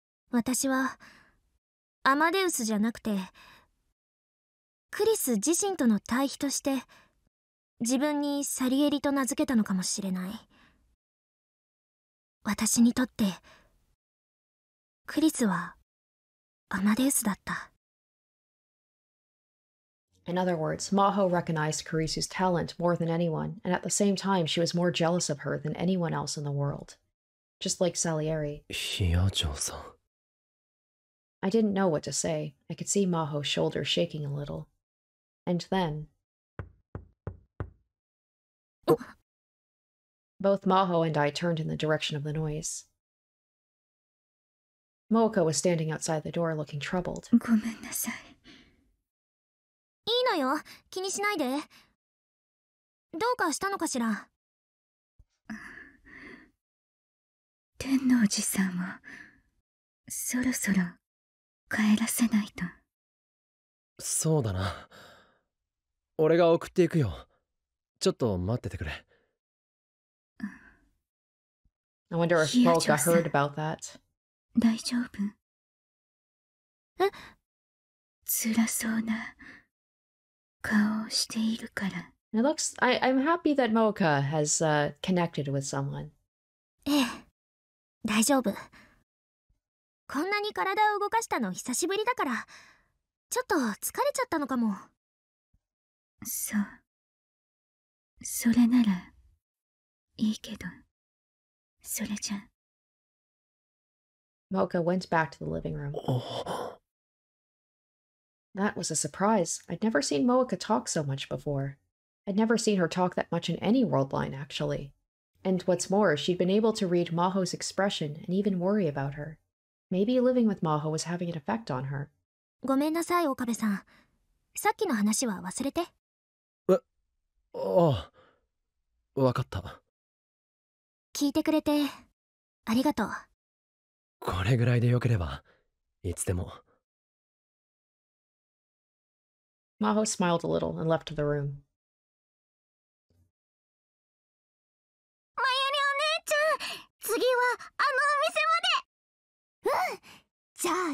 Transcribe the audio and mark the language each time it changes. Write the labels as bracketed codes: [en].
[ja] 私はアマデウスじゃなくてクリス自身との対比として自分にサリエリと名付けたのかもしれない。私にとってクリスはアマデウスだった。 [en] In other words, Maho recognized Kirisu's talent more than anyone, and at the same time she was more jealous of her than anyone else in the world. Just like Salieri. Hiyajo-san. I didn't know what to say. I could see Maho's shoulders shaking a little. And then... Both Maho and I turned in the direction of the noise. Mooka was standing outside the door looking troubled. [ja] ごめんなさい。いいのよ、気にしないで。どうかしたのかしら。天王寺さんをそろそろ帰らせないと。そうだな。俺が送っていくよ。ちょっと待っててくれ。 [en] I wonder if Mooka heard about that. [ja] 大丈夫？え？辛そうな顔をしているから。 [en] It looks... I'm happy that Mooka has connected with someone. [ja] ええ。大丈夫。こんなに体を動かしたの久しぶりだから、ちょっと疲れちゃったのかも。そう。それなら、いいけど。それじゃ。 [en] Mooka went back to the living room. That was a surprise. I'd never seen Mooka talk so much before. I'd never seen her talk that much in any worldline, actually. And what's more, she'd been able to read Maho's expression and even worry about her. Maybe living with Maho was having an effect on her. [ja] ごめんなさい、岡部さん。さっきの話は忘れて。わかった。聞いてくれてありがとう。これぐらいでよければ、いつでも。 [en] Maho smiled a little and left the room. [ja] マユリお姉ちゃん、次はあのお店まで。